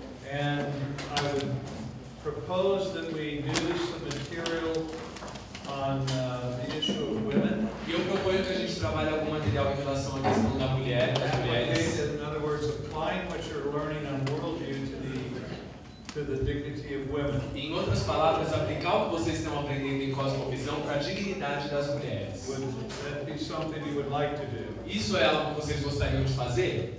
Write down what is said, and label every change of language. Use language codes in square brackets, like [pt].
[en] And I would propose that we do some material on the issue of women. [pt] E eu proponho que a gente trabalhe algum material em relação à questão da mulher, das mulheres. [en] In other words, applying what you're learning on worldview to the dignity of women. [pt] Em outras palavras, aplicar o que vocês estão aprendendo em cosmovisão para a dignidade das mulheres. [en] Would that be something you would like to do? [pt] Isso é algo que vocês gostariam de fazer?